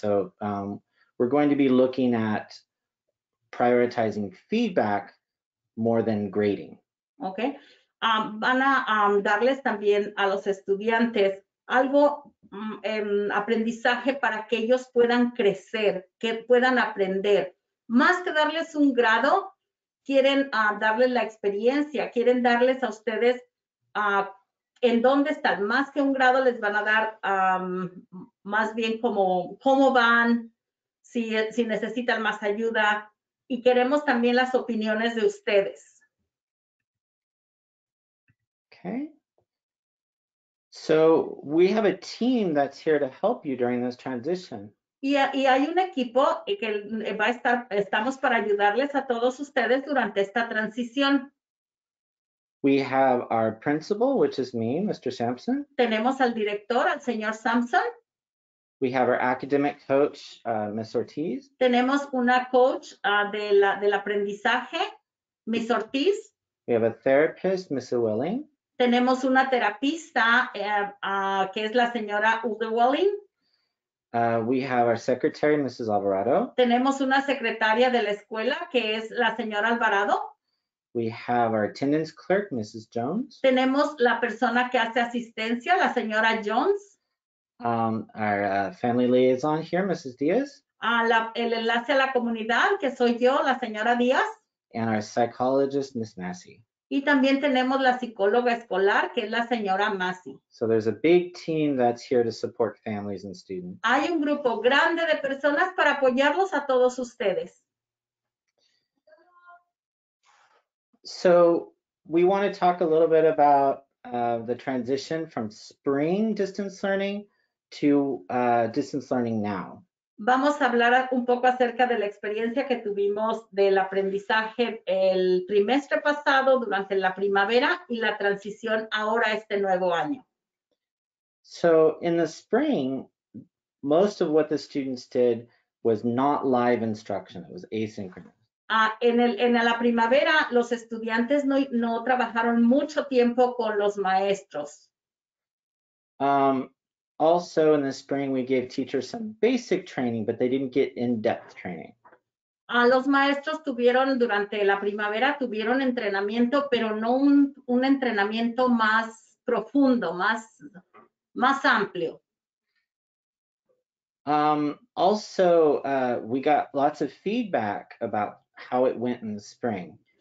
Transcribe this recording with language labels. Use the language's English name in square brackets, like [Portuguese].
[English] So we're going to be looking at prioritizing feedback more than grading. Okay. [Spanish] Van a darles también a los estudiantes algo, aprendizaje para que ellos puedan crecer, que puedan aprender. Más que darles un grado, quieren darles la experiencia, quieren darles a ustedes en dónde están. Más que un grado, les van a dar más bien como cómo van, si necesitan más ayuda. Y queremos también las opiniones de ustedes. [English] Okay. So we have a team that's here to help you during this transition. [Spanish] Y hay un equipo que va a estar, estamos para ayudarles a todos ustedes durante esta transición. [English] We have our principal, which is me, Mr. Sampson. [Spanish] Tenemos al director, al señor Sampson. [English] We have our academic coach, Ms. Ortiz. [Spanish] Tenemos una coach del aprendizaje, Ms. Ortiz. [English] We have a therapist, Ms. Willing. [Spanish] Tenemos una terapista, que es la señora Udewelling. [English] We have our secretary, Mrs. Alvarado. [Spanish] Tenemos una secretaria de la escuela, que es la señora Alvarado. [English] We have our attendance clerk, Mrs. Jones. [Spanish] Tenemos la persona que hace asistencia, la señora Jones. [English] Our family liaison here, Mrs. Diaz. [Spanish] El enlace a la comunidad, que soy yo, la señora Diaz. [English] And our psychologist, Ms. Massey. [Spanish] Y también tenemos la psicóloga escolar, que es la señora Massey. [English] So there's a big team that's here to support families and students. [Spanish] Hay un grupo grande de personas para apoyarlos a todos ustedes. [English] So we want to talk a little bit about the transition from spring distance learning to distance learning now. [Spanish] Vamos a hablar un poco acerca de la experiencia que tuvimos del aprendizaje el trimestre pasado durante la primavera y la transición ahora a este nuevo año. [English] So, in the spring, most of what the students did was not live instruction, it was asynchronous. [Spanish] En la primavera, los estudiantes no trabajaron mucho tiempo con los maestros. [English] Also in the spring, we gave teachers some basic training, but they didn't get in-depth training. [Spanish] Los maestros tuvieron durante la primavera, tuvieron entrenamiento, pero no un entrenamiento más profundo, más amplio. [English] Also, we got lots of feedback about how it went in the spring.